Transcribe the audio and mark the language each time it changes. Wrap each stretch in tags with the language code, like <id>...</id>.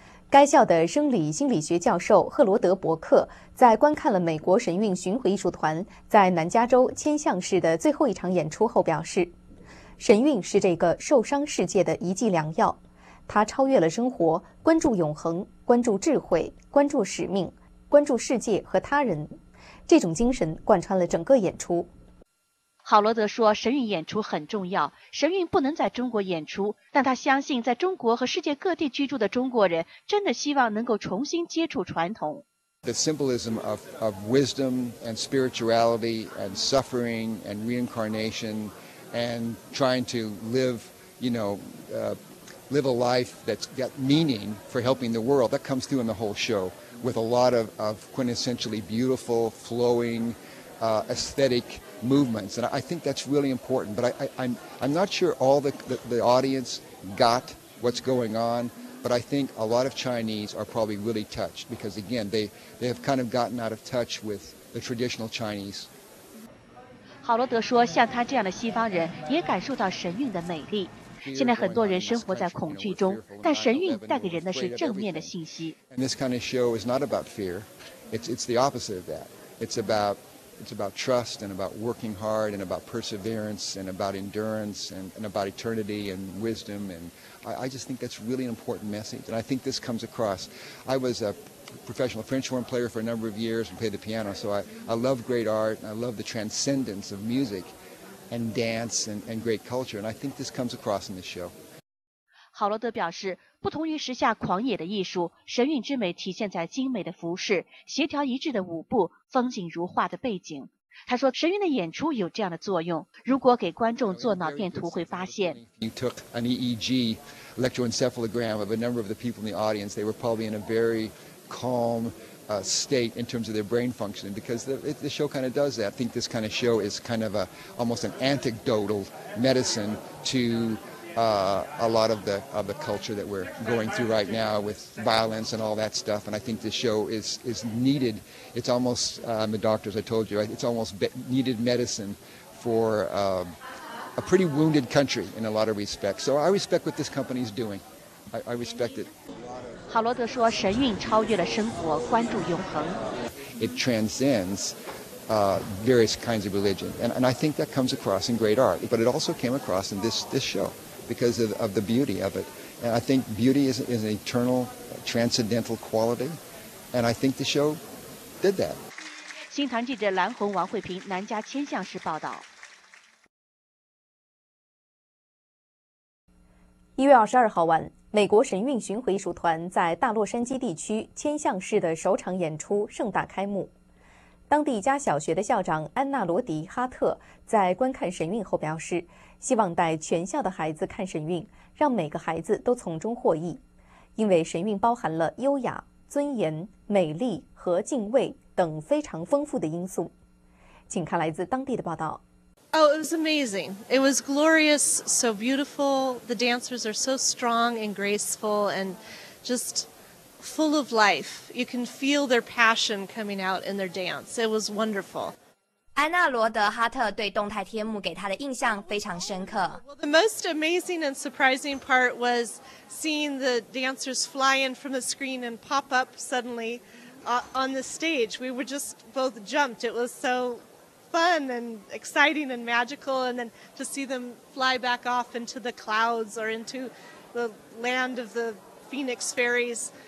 <zh>该校的生理心理学教授赫罗德·伯克在观看了美国神韵巡回艺术团在南加州千橡市的最后一场演出后表示，神韵是这个受伤世界的一剂良药，它超越了生活，关注永恒，关注智慧，关注使命，关注世界和他人，这种精神贯穿了整个演出。郝罗德说，神韵演出很重要，神韵不能在中国演出，但他相信在中国和世界各地居住的中国人真的希望能够重新接触传统。</zh> <en>The symbolism of wisdom and spirituality and suffering and reincarnation and trying to live, you know, live a life that's got meaning for helping the world, that comes through in the whole show with a lot of quintessentially beautiful, flowing, aesthetic movements. And I think that's really important, but I'm not sure all the audience got what's going on. But I think a lot of Chinese are probably really touched because, again, they have kind of gotten out of touch with the traditional Chinese.</en> <zh>郝罗德说，像他这样的西方人也感受到神韵的美丽。现在很多人生活在恐惧中，但神韵带给人的是正面的信息。</zh> <en>And this kind of show is not about fear. It's the opposite of that. It's about trust and about working hard and about perseverance and about endurance and about eternity and wisdom and. I just think that's really an important message, and I think this comes across. I was a professional French horn player for a number of years and played the piano, so I love great art, and I love the transcendence of music and dance and great culture, and I think this comes across in this show.</en> <zh>郝罗德表示，不同于时下狂野的艺术，神韵之美体现在精美的服饰、协调一致的舞步、风景如画的背景。他说，神韵的演出有这样的作用，如果给观众做脑电图会发现</zh> <en>You took an EEG electroencephalogram of a number of the people in the audience. They were probably in a very calm state in terms of their brain functioning because the show kind of does that. I think this kind of show is kind of almost an anecdotal medicine to a lot of the culture that we're going through right now with violence and all that stuff. And I think this show is needed. It's almost, I'm the doctors, I told you, it's almost needed medicine for a pretty wounded country in a lot of respects. So I respect what this company is doing. I respect it.</en> <zh>郝罗德说，神韵超越了生活，关注永恒。</zh> <en>It transcendsvarious kinds of religion. And I think that comes across in great art, but it also came across in this show. Because of the beauty of it. And I think beauty is an eternal, transcendental quality. And I think the show did that.</en> <zh>新唐记者蓝红、王慧平，南加千橡市报道。 1月22号晚，美国神韵巡回艺术团在大洛杉矶地区千橡市的首场演出盛大开幕。当地一家小学的校长安娜·罗迪·哈特在观看神韵后表示，希望带全校的孩子看神韵，让每个孩子都从中获益，因为神韵包含了优雅、尊严、美丽和敬畏等非常丰富的因素。请看来自当地的报道。</zh> <en>Oh, it was amazing. It was glorious, so beautiful. The dancers are so strong and graceful and just full of life. You can feel their passion coming out in their dance. It was wonderful.</en> <zh>安娜·罗德·哈特对动态天幕给她的印象非常深刻。</zh> <en>The most amazing and surprising part was seeing the dancers fly in from the screen and pop up suddenly on the stage. We were just both jumped. It was so fun and exciting and magical. And then to see them fly back off into the clouds or into the land of the Phoenix Fairies.</en>